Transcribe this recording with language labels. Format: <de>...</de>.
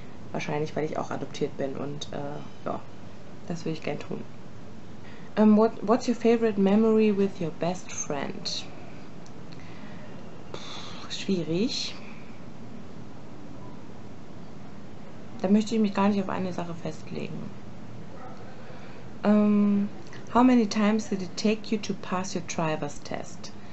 <de>Wahrscheinlich, weil ich auch adoptiert bin und ja, das würde ich gerne tun.</de> <en>What's your favorite memory with your best friend?</en> <de>Schwierig. Da möchte ich mich gar nicht auf eine Sache festlegen.</de> <en>How many times did it take you to pass your driver's test?</en>